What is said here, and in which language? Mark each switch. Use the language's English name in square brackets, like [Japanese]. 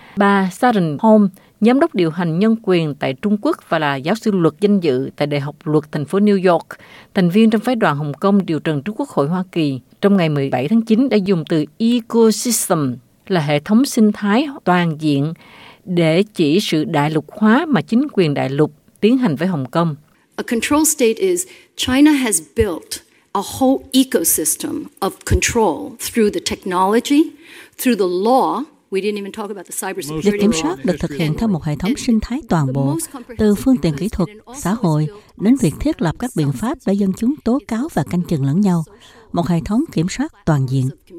[Vietnamese] Bà Sharon Holm, giám đốc điều hành nhân quyền tại Trung Quốc và là giáo sư luật danh dự tại Đại học Luật thành phố New York, thành viên trong phái đoàn Hồng Kông điều trần trước Quốc hội Hoa Kỳ, trong ngày 17 tháng 9 đã dùng từ ecosystem là hệ thống sinh thái toàn diện để chỉ sự đại lục hóa mà chính quyền đại lục tiến hành với Hồng Kông. [English] A control state is China has built a whole ecosystem of control through the technology, through the law. We didn't even talk about the cybersecurity. [Vietnamese] Việc kiểm soát được thực hiện theo một hệ thống sinh thái toàn bộ, từ phương tiện kỹ thuật, xã hội đến việc thiết lập các biện pháp để dân chúng tố cáo và canh chừng lẫn nhau. Một hệ thống kiểm soát toàn diện.